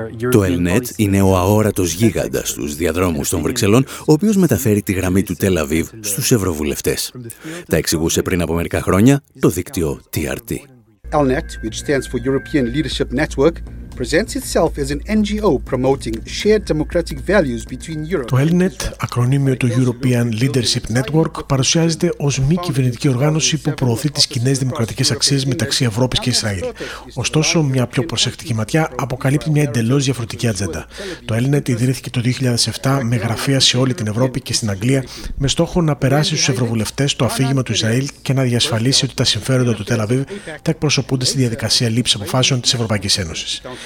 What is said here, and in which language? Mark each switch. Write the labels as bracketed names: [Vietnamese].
[Greek] Το ELNET είναι ο αόρατος γίγαντας στους διαδρόμους των Βρυξελών, ο οποίος μεταφέρει τη γραμμή του Τελ Αβίβ στους ευρωβουλευτές. Τα εξηγούσε πριν από μερικά χρόνια το δίκτυο TRT. [English] ELNET, which stands for European Leadership Network, presents itself as an NGO promoting shared democratic values between Europe. [Greek] Το ELNET, ακρονίμιο του European Leadership Network, παρουσιάζεται ως μη κυβερνητική οργάνωση που προωθεί τις κοινές δημοκρατικές αξίες μεταξύ Ευρώπης και Ισραήλ. Ωστόσο, μια πιο προσεκτική ματιά αποκαλύπτει μια εντελώς διαφορετική ατζέντα. Το ELNET ιδρύθηκε το 2007 με γραφεία σε όλη την Ευρώπη και στην Αγγλία, με στόχο να περάσει στους ευρωβουλευτές το αφήγημα του Ισραήλ και να διασφαλίσει ότι τα συμφέροντα του Τελαβίβ θα εκπροσωπούνται στη διαδικασία λήψης αποφάσεων της Ευρωπαϊκής Ένωσης.